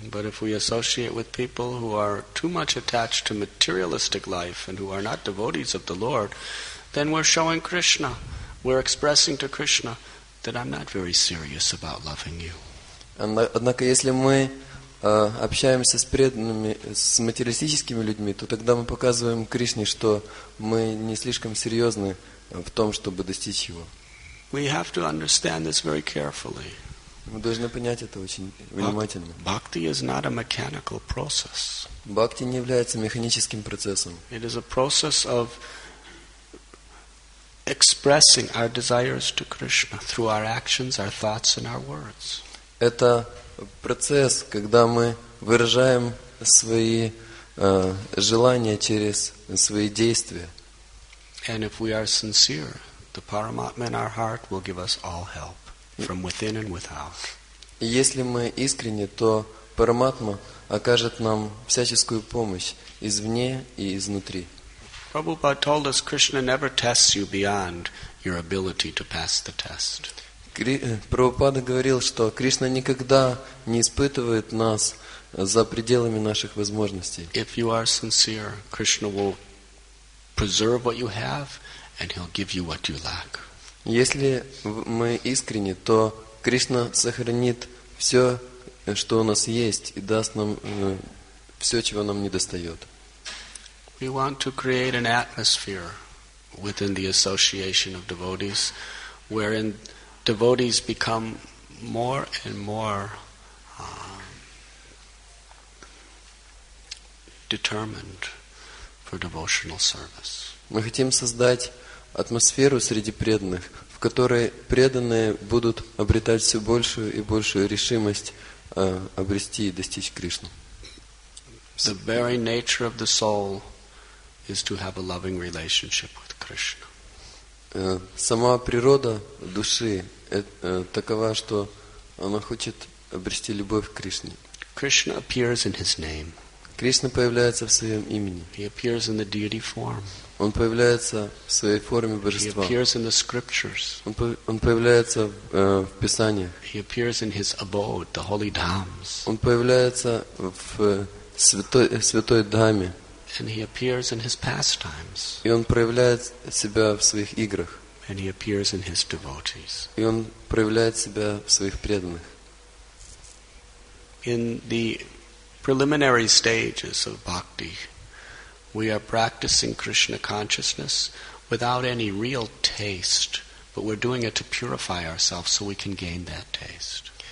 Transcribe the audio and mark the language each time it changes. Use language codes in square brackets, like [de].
[en] But if we associate with people who are too much attached to materialistic life and who are not devotees of the Lord, then we're showing Krishna, we're expressing to Krishna that I'm not very serious about loving you. [ru] Однако, если мы общаемся с преданными, с материалистическими людьми, то тогда мы показываем Кришне, что мы не слишком серьезны в том, чтобы достичь Его. [en] We have to understand this very carefully. [ru] Мы должны понять это очень внимательно. [en] Bhakti is not a mechanical process. [ru] Бхакти не является механическим процессом. [en] It is a process of expressing our desires to Krishna through our actions, our thoughts, and our words. [ru] Это процесс, когда мы выражаем свои желания через свои действия. [en] And if we are sincere, the Paramatma in our heart will give us all help from within and without. [ru] Если мы искренни, то Параматма окажет нам всяческую помощь извне и изнутри. [en] Prabhupada told us Krishna never tests you beyond your ability to pass the test. [ru] Прабхупада говорил, что Кришна никогда не испытывает нас за пределами наших возможностей. [en] If you are sincere, Krishna will preserve what you have and he'll give you what you lack. [ru] Если мы искренни, то Кришна сохранит все, что у нас есть, и даст нам все, чего нам не достает. [en] We want to create an atmosphere within the association of devotees wherein devotees become more and more determined for devotional service. [ru] Мы хотим создать атмосферу среди преданных, в которой преданные будут обретать все большую и большую решимость обрести и достичь Кришну. [en] The very nature of the soul is to have a loving relationship with Krishna. [ru] Сама природа души такова, что она хочет обрести любовь к Кришне. [en] Krishna appears in his name. [ru] Кришна появляется в своем имени. [en] He appears in the deity form. [ru] Он появляется в своей форме божества. [en] He appears in the scriptures. [ru] Он появляется в Писаниях. [en] He appears in his abode, the holy dhams. [ru] Он появляется в святой дхаме. [en] And he appears in his pastimes. [ru] И он проявляет себя в своих играх. [en] And he appears in his devotees. [ru] И он проявляет себя в своих преданных. [en] In the preliminary stages of bhakti, we are practicing Krishna consciousness without any real taste, but we're doing it to purify ourselves so we can gain that taste.